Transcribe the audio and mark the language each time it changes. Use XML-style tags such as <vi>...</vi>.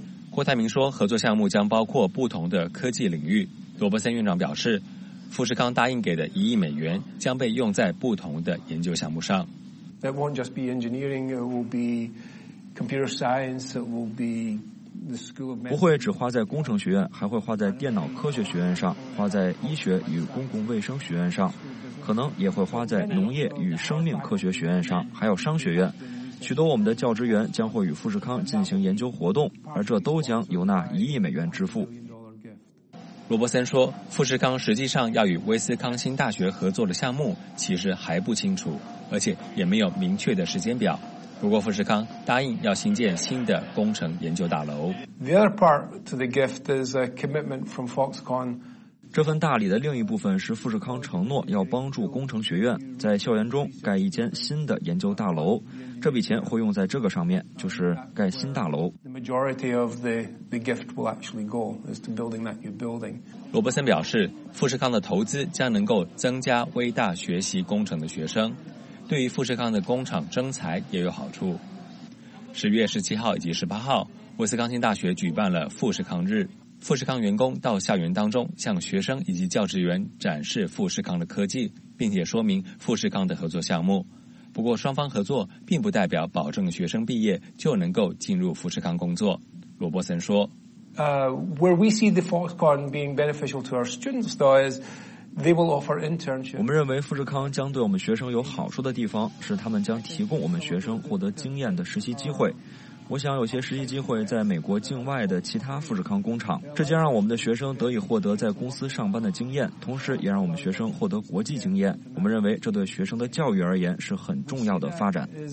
<zh>郭台铭说，合作项目将包括不同的科技领域。罗伯森院长表示，富士康答应给的一亿美元将被用在不同的研究项目上。</zh> <en>That won't just be engineering; it will be computer science. It will be。</en> <zh>不会只花在工程学院，还会花在电脑科学学院上，花在医学与公共卫生学院上，可能也会花在农业与生命科学学院上，还有商学院。许多我们的教职员将会与富士康进行研究活动，而这都将由那一亿美元支付。罗伯森说，富士康实际上要与威斯康星大学合作的项目其实还不清楚，而且也没有明确的时间表。不过，富士康答应要新建新的工程研究大楼。</zh> <en>The other part to the gift is a commitment from Foxconn。</en> <zh>这份大礼的另一部分是富士康承诺要帮助工程学院在校园中盖一间新的研究大楼，这笔钱会用在这个上面，就是盖新大楼。</zh> <en>The majority of the gift will actually go is to building that new building。</en> <zh>罗伯森表示，富士康的投资将能够增加威大学习工程的学生。对于富士康的工厂征才也有好处。10月17号以及18号，威斯康星大学举办了富士康日，富士康员工到校园当中向学生以及教职员展示富士康的科技，并且说明富士康的合作项目。不过双方合作并不代表保证学生毕业就能够进入富士康工作。罗伯森说，</zh> <en>Where we see the Foxconn being beneficial to our students though is They will offer internship。</en> <zh>我们认为富士康将对我们学生有好处的地方是他们将提供我们学生获得经验的实习机会，我想有些实习机会在美国境外的其他富士康工厂，这将让我们的学生得以获得在公司上班的经验，同时也让我们学生获得国际经验，我们认为这对学生的教育而言是很重要的发展。</zh>